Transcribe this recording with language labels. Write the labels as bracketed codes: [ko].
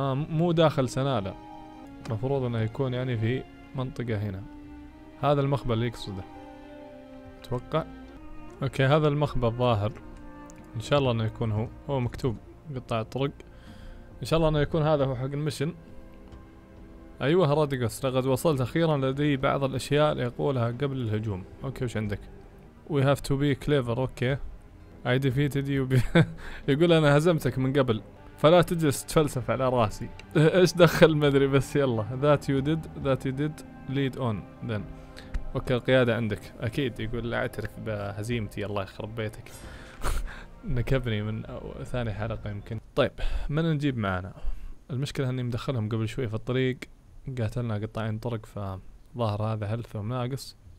[ar] مو داخل سنالة، مفروض انه يكون يعني في منطقة هنا، هذا المخبأ اللي يقصده اتوقع. اوكي هذا المخبأ الظاهر، ان شاء الله انه يكون هو مكتوب قطع الطرق، ان شاء الله انه يكون هذا هو حق المشن. ايوه راديغوس، لقد وصلت اخيرا، لدي بعض الاشياء ليقولها قبل الهجوم. اوكي وش عندك؟ [en] We have to be clever. Okay I defeated you. [ar] يقول انا هزمتك من قبل، فلا تجلس تفلسف على راسي. ايش دخل مدري بس، يلا [en] that you did lead on then. [ar] اوكي القيادة عندك اكيد، يقول لا اعترف بهزيمتي، الله يخرب بيتك. نكبني من ثاني حلقة يمكن. طيب من نجيب معنا؟ المشكلة اني مدخلهم قبل شوي في الطريق قاتلنا قطعين طرق، فظهر هذا هلفه ناقص.